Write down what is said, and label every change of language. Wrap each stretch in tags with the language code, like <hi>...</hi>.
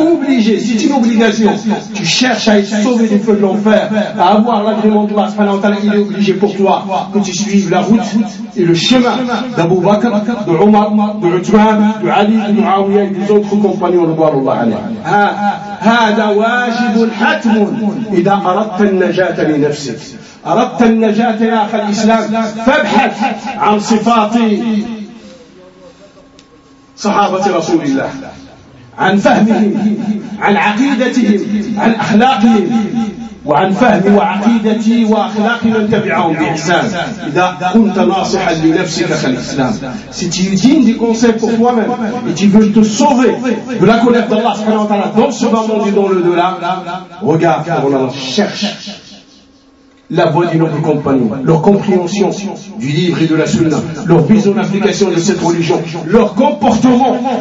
<fr>Obligé, c'est une obligation. Tu cherches à être sauvé du feu de l'enfer, à avoir l'agrément d'Allah subhanahu wa ta'ala. Il est obligé pour toi que tu suives la route et le chemin d'Abu Bakr, de Omar, de Uthman, de Ali, de Muawiyah et des autres compagnons de voir Allah alayhi.</fr> <ar>هذا واجب حتم إذا أردت النجاة لنفسك، أردت النجاة يا أخي الإسلام، فابحث عن صفات صحابة رسول الله، عن فهمهم، عن عقيدتهم، عن أخلاقهم، وعن فهم وعقيدتي وأخلاق من تبعهم بإحسان. إذا كنت ناصحا لنفسك في الإسلام،</ar> <fr>si tu tiens des conseils pour toi-même et tu veux te sauver de la colère d'Allah subhanahu wa ta'ala dans ce moment et dans le-delà, regarde pour l'Allah, cherche la voie des nobles compagnons, leur compréhension du livre et de la sunna, leur mise en application de cette religion, leur comportement.</fr>